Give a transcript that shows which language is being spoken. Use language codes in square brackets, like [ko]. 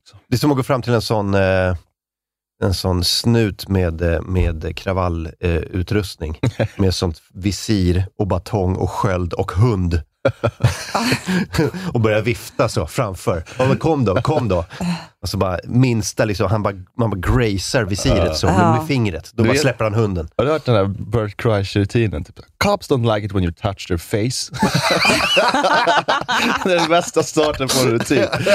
[sv] Det är som att gå fram till en sån snut med kravallutrustning. Med sånt visir och batong och sköld och hund. Och börjar vifta så framför. Ja, kom då, kom då. Alltså bara minsta liksom, han bara, man bara grazar visiret så med fingret. Då bara släpper han hunden. Har du hört den här Bert Kreischer-rutinen? [en] Typ, cops don't like it when you touch their face. [sv] Det är den bästa starten på en rutin.